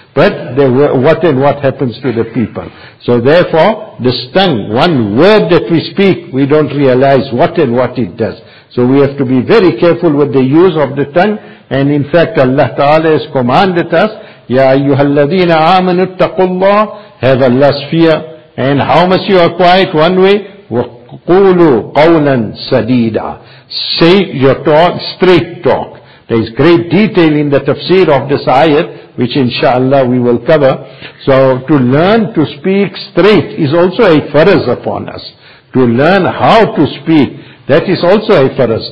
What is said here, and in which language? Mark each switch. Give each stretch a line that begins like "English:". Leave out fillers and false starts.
English: But what happens to the people? So therefore, the tongue, one word that we speak, we don't realize what and what it does. So we have to be very careful with the use of the tongue. And in fact, Allah Ta'ala has commanded us,
Arabic: Ya ayyuhalladhina amanu taqullah,
English: have Allah's fear. And how must you acquire it?
Arabic: One way, وَقُولُوا قَوْلًا سَدِيدًا.
English: Say your talk, straight talk. There is great detail in the tafsir of this ayat, which inshallah we will cover. So to learn to speak straight is also a faraz upon us. To learn how to speak, that is also a faraz.